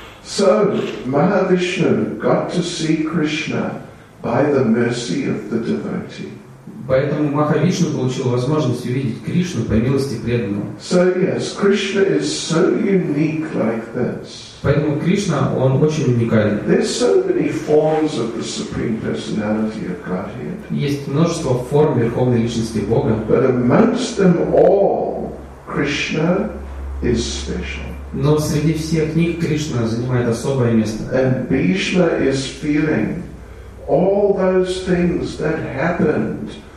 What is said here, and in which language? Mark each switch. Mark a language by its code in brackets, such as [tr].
[en] So Mahavishnu got to see Krishna by the mercy of the devotee. [ru] Поэтому Махавишну получил возможность увидеть Кришну по милости преданного. [en] So yes, Krishna is so unique like this. [ru] Поэтому Кришна, он очень уникален. [en] There's so many forms of the Supreme Personality of Godhead. [ru] Есть множество форм Верховной Личности Бога. [en] But amongst them all, Krishna is special. [ru] Но среди всех них Кришна занимает особое место. [en] And Bhishma is feeling all those things that happened.